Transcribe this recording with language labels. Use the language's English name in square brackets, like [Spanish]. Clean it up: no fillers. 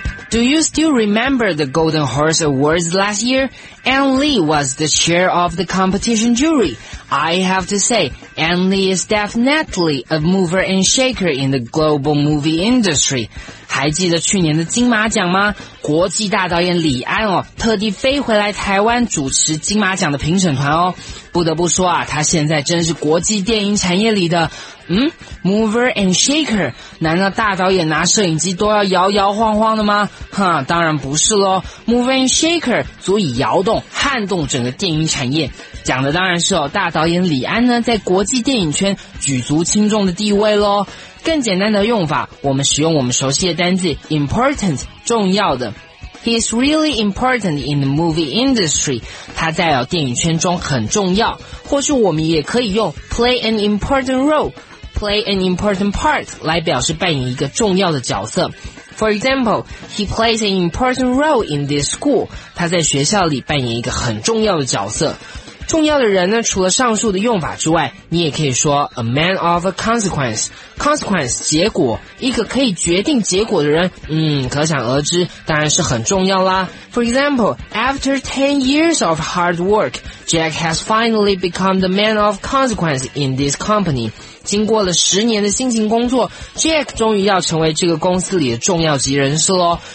[English] Do you still remember the Golden Horse Awards last year? Ann Lee was the chair of the competition jury. I have to say, Ann Lee is definitely a mover and shaker in the global movie industry. [Chinese] 还记得去年的金马奖吗？国际大导演李安哦，特地飞回来台湾主持金马奖的评审团哦。不得不说啊，他现在真是国际电影产业里的 [English] mover and shaker。 [Chinese] 难道大导演拿摄影机都要摇摇晃晃的吗？哈，当然不是咯。 [English] Mover and shaker [Chinese] 足以摇动、撼动整个电影产业。讲的当然是哦，大导演李安呢，在国际电影圈举足轻重的地位咯。更简单的用法，我们使用我们熟悉的单字 important 重要的。 [English] He is really important in the movie industry. [Chinese] 他在电影圈中很重要。或许我们也可以用 [English] play an important role, play an important part [Chinese] 来表示扮演一个重要的角色。 [English] For example, he plays an important role in this school. [Chinese] 他在学校里扮演一个很重要的角色。重要的人呢，除了上述的用法之外，你也可以说 [English] a man of a consequence， [Chinese] consequence 结果，一个可以决定结果的人，可想而知当然是很重要啦。 [English] For example， after 10 years of hard work， Jack has finally become the man of consequence in this company。 [Chinese] 经过了十年的辛勤工作， Jack 终于要成为这个公司里的重要级人士咯。